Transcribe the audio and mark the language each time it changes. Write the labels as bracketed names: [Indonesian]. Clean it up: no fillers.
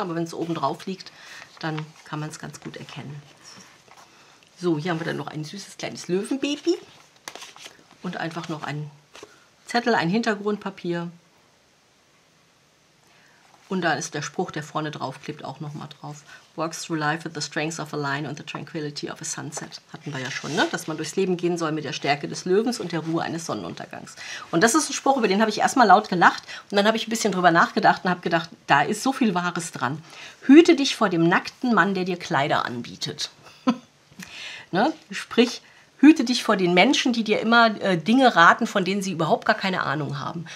[German] Aber wenn es oben drauf liegt, dann kann man es ganz gut erkennen. So, hier haben wir dann noch ein süßes kleines Löwenbaby und einfach noch ein Zettel, ein Hintergrundpapier. Und da ist der Spruch, der vorne drauf klebt, auch nochmal drauf. [English] Walks through life with the strength of a lion and the tranquility of a sunset. [German] Hatten wir ja schon, ne? Dass man durchs Leben gehen soll mit der Stärke des Löwens und der Ruhe eines Sonnenuntergangs. Und das ist ein Spruch, über den habe ich erstmal laut gelacht und dann habe ich ein bisschen drüber nachgedacht und habe gedacht, da ist so viel Wahres dran. Hüte dich vor dem nackten Mann, der dir Kleider anbietet. Ne? Sprich, hüte dich vor den Menschen, die dir immer Dinge raten, von denen sie überhaupt gar keine Ahnung haben.